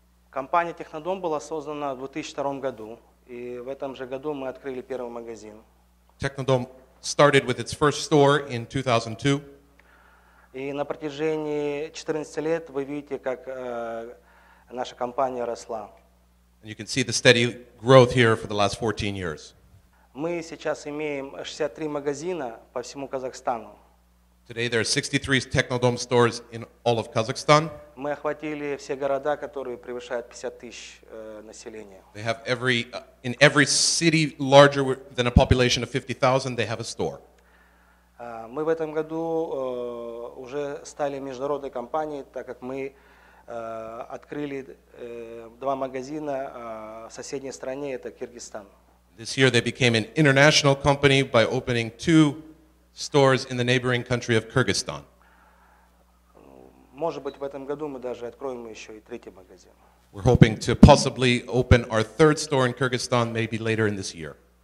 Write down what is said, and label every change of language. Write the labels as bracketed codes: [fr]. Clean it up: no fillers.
[ru] Компания Technodom была создана в 2002 году, и в этом же году мы открыли первый магазин. [en] Technodom started with its first store in 2002. [ru] И на протяжении 14 лет вы видите, как наша компания росла. [en] And you can see the steady growth here for the last 14 years. [ru] Мы сейчас имеем 63 магазина по всему Казахстану. [en] Today there are 63 Technodom stores in all of Kazakhstan. [ru] Мы охватили все города, которые превышают 50 тысяч населения. [en] They have every in every city larger than a population of 50,000, they have a store. [ru] Мы в этом году уже стали международной компанией, так как мы открыли два магазина в соседней стране, это Киргизстан. [en] This year they became an international company by opening two stores in the neighboring country of Kyrgyzstan. [ru] Может быть, в этом году мы даже откроем еще и третий магазин. [en] We're hoping to possibly open our third store in Kyrgyzstan maybe later in this year.